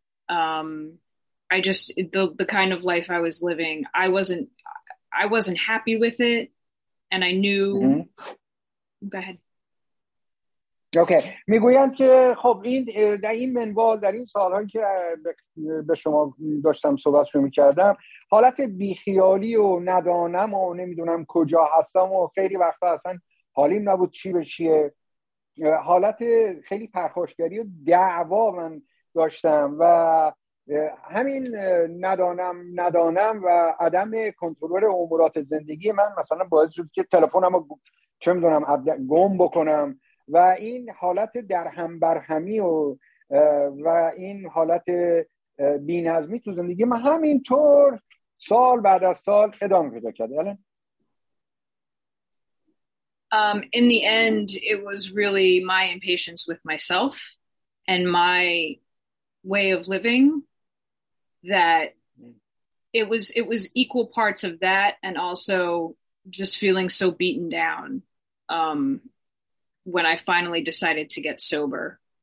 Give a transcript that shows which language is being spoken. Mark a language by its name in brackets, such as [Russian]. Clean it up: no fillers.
[English] I just the kind of life I was living, I wasn't happy with it, and I knew. Mm-hmm. Go ahead. Okay. [Persian] میگویند که خب این در این منوال، در این سالهایی که به شما داشتم صحبت شما میکردم، حالت بیخیالی و ندانم و نمیدونم کجا هستم و خیلی وقتا اصلا حالیم نبود چی به چیه، حالت خیلی پرخاشگری و دعوا من داشتم و همین ندانم و عدم کنترل امورات زندگی من مثلا باعث شد که تلفنم رو چه میدونم گم بکنم و این حالت درهم برهمی و این حالت بی‌نظمی تو زندگی من همینطور سال بعد از سال ادامه پیدا کرد. [English] In the end it was really my impatience with myself and my way of living that It was equal parts of that and also just feeling so beaten down when I finally decided to get sober.